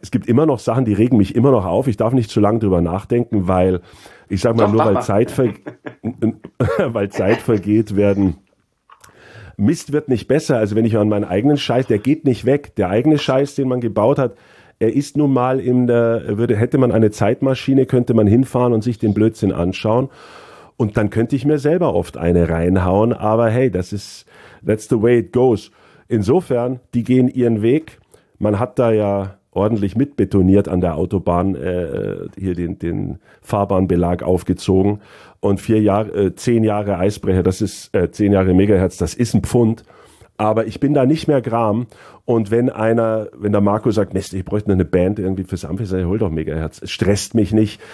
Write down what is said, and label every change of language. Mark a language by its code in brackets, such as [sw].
[de] Es gibt immer noch Sachen, die regen mich immer noch auf. Ich darf nicht zu lange drüber nachdenken, weil, ich sag mal, weil Zeit vergeht, werden Mist wird nicht besser. Also wenn ich an meinen eigenen Scheiß, der geht nicht weg. Der eigene Scheiß, den man gebaut hat, er ist nun mal hätte man eine Zeitmaschine, könnte man hinfahren und sich den Blödsinn anschauen. Und dann könnte ich mir selber oft eine reinhauen. [en] Aber hey, that's the way it goes. [de] Insofern, die gehen ihren Weg. Man hat da ja ordentlich mitbetoniert an der Autobahn, hier den Fahrbahnbelag aufgezogen. Und 10 Jahre Eisbrecher, das ist 10 Jahre Megahertz, das ist ein Pfund. Aber ich bin da nicht mehr Gram. Und wenn der Marco sagt, Mist, ich bräuchte noch eine Band irgendwie fürs Amphi, sag ich, hol doch Megahertz. Es stresst mich nicht.